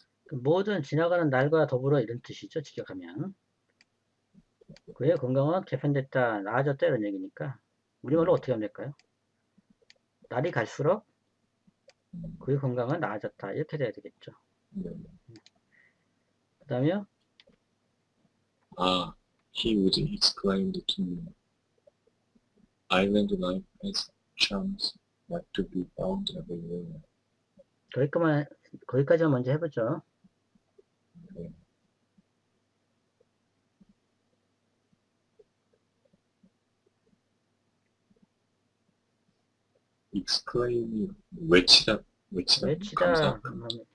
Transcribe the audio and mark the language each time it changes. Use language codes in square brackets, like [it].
[ko] 모든 지나가는 날과 더불어 이런 뜻이죠, 직역하면. 그의 건강은 개선됐다, 나아졌다, 이런 얘기니까. 우리말로 어떻게 하면 될까요? 날이 갈수록 그의 건강은 나아졌다. 이렇게 돼야 되겠죠. 그 다음이요? [en] Ah, he would exclaim to me, "Island life has charms not to be found everywhere." [ko] 거기까지만 먼저 해보죠. 익스클레임이 외치다, 외치다, 외치다, 감사합니다.